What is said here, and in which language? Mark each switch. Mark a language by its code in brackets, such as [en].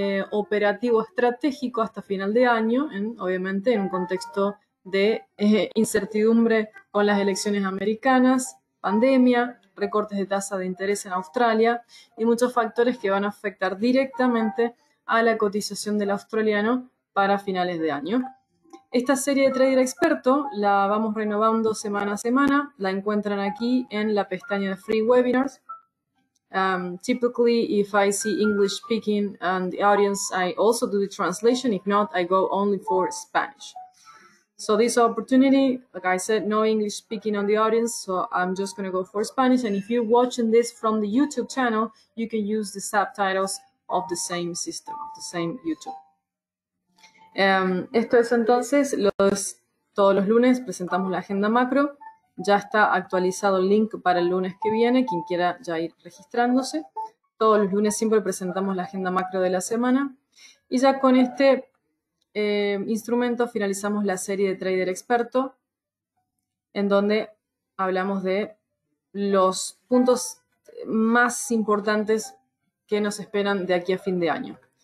[es] operativo estratégico hasta final de año, obviamente en un contexto de incertidumbre con las elecciones americanas, pandemia, recortes de tasa de interés en Australia y muchos factores que van a afectar directamente a la cotización del australiano para finales de año. Esta serie de Trader Experto la vamos renovando semana a semana, la encuentran aquí en la pestaña de Free Webinars. [en] Typically, if I see English speaking and the audience, I also do the translation. If not, I go only for Spanish. So this opportunity, like I said, no English speaking on the audience, so I'm just going to go for Spanish. And if you're watching this from the YouTube channel, you can use the subtitles of the same system, of the same YouTube. [es] Esto es entonces, todos los lunes presentamos la agenda macro. Ya está actualizado el link para el lunes que viene, quien quiera ya ir registrándose. Todos los lunes siempre presentamos la agenda macro de la semana. Y ya con este instrumento finalizamos la serie de Trader Experto, en donde hablamos de los puntos más importantes que nos esperan de aquí a fin de año.